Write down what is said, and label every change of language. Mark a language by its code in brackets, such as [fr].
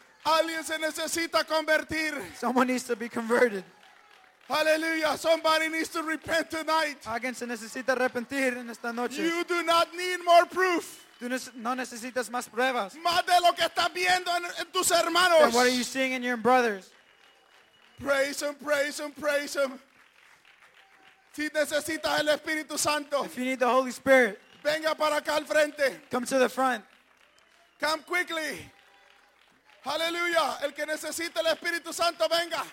[es] Alguien se necesita convertir. [en] Someone needs to be converted. Hallelujah. Somebody needs to repent tonight. [es] Alguien se necesita arrepentir en esta noche. [en] You do not need more proof. [es] Tú no necesitas más pruebas. Más de lo que estás viendo en tus hermanos. [en] Then what are you seeing in your brothers? Praise him, praise him, praise him. [es] Si necesitas el Espíritu Santo. [en] If you need the Holy Spirit. [es] Venga para acá al frente. [en] Come to the front. Come quickly. Hallelujah. [es] El que necesita el Espíritu Santo, venga.